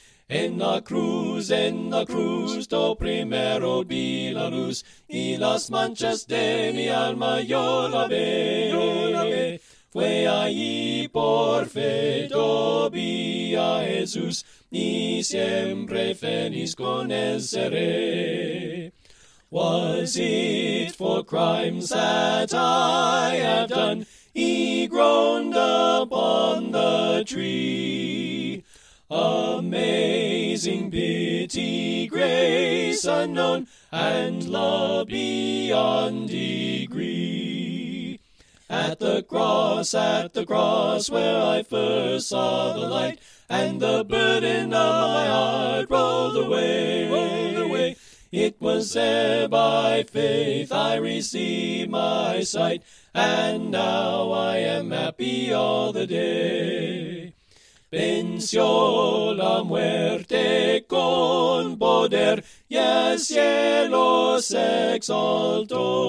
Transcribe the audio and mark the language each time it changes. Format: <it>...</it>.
<es>En la cruz, do primero vi la luz, y las manchas de mi alma yo la ve. Yo la ve. Fue allí por fe, do vi a Jesús, y siempre feliz con él seré.</es> <en>Was it for crimes that I have done, he groaned upon the tree? Amazing pity, grace unknown, and love beyond degree. At the cross where I first saw the light, and the burden of my heart rolled away. It was there by faith I received my sight, and now I am happy all the day.</en> <es>Venció la muerte con poder, y el cielo se exaltó.</es>